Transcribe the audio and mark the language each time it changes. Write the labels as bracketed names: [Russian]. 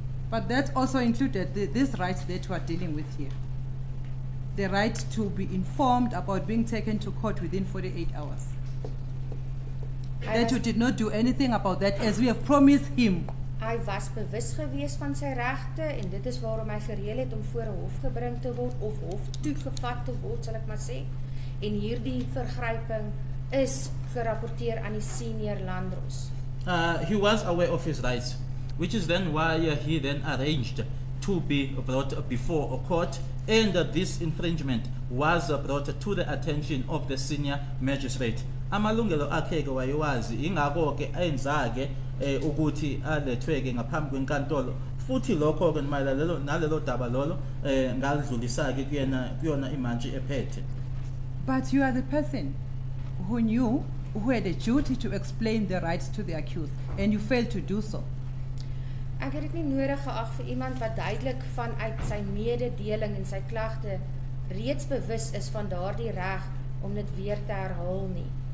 [English] But that also included this rights that we are dealing with here. The right to be informed about being taken to court within 48 hours. I that you did not do anything about that as we have promised him. [Afrikaans] Hy was bewus gewees van sy regte en dit is waarom hy gereël het om voor 'n hof gebring te word of hof toe gevat te word, sal ek maar sê. En hierdie vergryping is gerapporteer aan die senior landdros. [English] He was aware of his rights. Which is then why he then arranged to be brought before a court, and this infringement was brought to the attention of the senior magistrate. [Zulu] Amalungelo akhe ke wayiwazi ingakho ke enza ke ukuthi alethwe ke ngaphambi kwenkantolo futhi lokho ke nalelo nalelo daba lolo ngadlulisa ke kuyena kuyona imantshi ephete. [English] But you are the person who knew who had a duty to explain the rights to the accused, and you failed to do so. [Afrikaans] Ek het dit nie nodig geag vir iemand wat duidelik vanuit sy mededeling en sy klagte reeds bewus is van daardie reg om dit weer te herhaal nie.